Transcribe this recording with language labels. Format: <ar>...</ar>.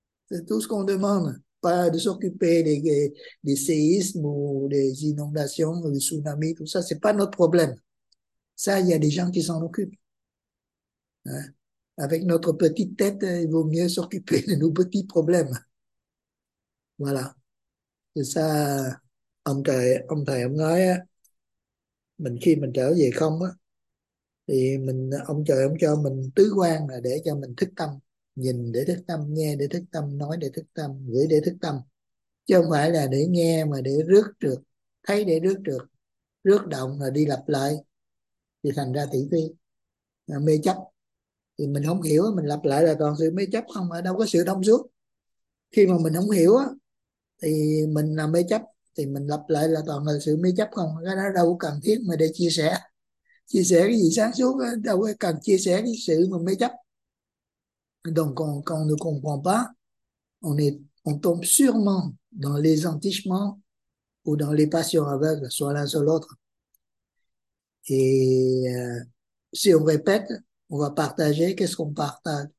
<fr>C'est tout ce qu'on demande. Pas de s'occuper des séismes ou des inondations, des tsunamis, tout ça, c'est pas notre problème. Ça, il y a des gens qui s'en occupent. Hein? Avec notre petite tête, il vaut mieux s'occuper de nos petits problèmes. Voilà. C'est ça.</fr> <vi>Ông thầy ông nói á, mình khi mình trở về không á thì mình ông trời ông cho mình tứ quan là để cho mình thức tâm, nhìn để thức tâm, nghe để thức tâm, nói để thức tâm, gửi để thức tâm, chứ không phải là để nghe mà để rước trượt, thấy để rước trượt, rước động là đi lặp lại thì thành ra thị phi mê chấp. Thì mình không hiểu, mình lặp lại là toàn sự mê chấp không, ở đâu có sự thông suốt. Khi mà mình không hiểu á thì mình là mê chấp, thì mình lặp lại là toàn là sự mê chấp không. Cái đó đâu cần thiết mà để chia sẻ cái gì sáng suốt, đâu có cần chia sẻ cái sự mà mê chấp.</vi> <fr>Donc quand on ne comprend pas, on tombe sûrement dans les entichements ou dans les passions aveugles, soit l'un soit l'autre. Et si on répète, on va partager. Qu'est-ce qu'on partage?</fr>